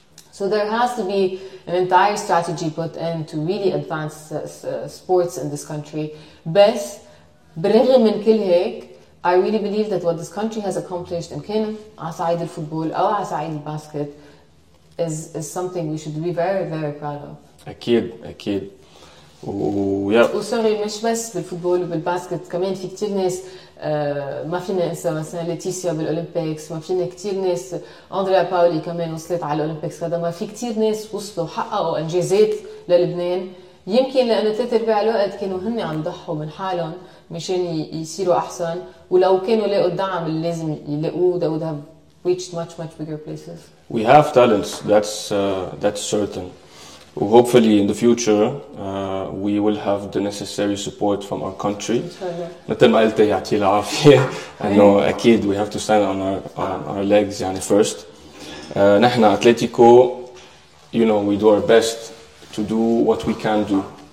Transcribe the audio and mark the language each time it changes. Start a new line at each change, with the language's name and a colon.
English: So there has to be an entire strategy put in to really advance sports in this country.
Arabic: بس برغم من كل هيك,
English: I really believe that what this country has accomplished in
Arabic: كن عصايد الفوتبول أو عصايد الباسكت
English: is something we should be very, very proud of.
Arabic: أكيد أكيد. وسوري مش بس بالفوتبول وبالباسكت, كمان في كتير ناس ما فينا انسى مثلا ليتيسيا بالاولمبيكس, ما فينا كتير ناس اندريا باولي كمان وصلت على الاولمبيكس, هذا ما في كتير ناس وصلوا حققوا انجازات للبنان, يمكن لانه ثلاث ارباع الوقت كانوا هن عم ضحوا من حالهم مشان يصيروا احسن, ولو كانوا لقوا الدعم اللي لازم يلاقوه
English: they would have reached much much bigger places. We have talents, that's certain. Hopefully in the future we will have the necessary support from our country.
Arabic: مثل ما قلت يعطي العافية.
English: I know,
Arabic: أكيد
English: we have to stand on our legs يعني first. نحن Atletico, you know, we do our best to do what we can do.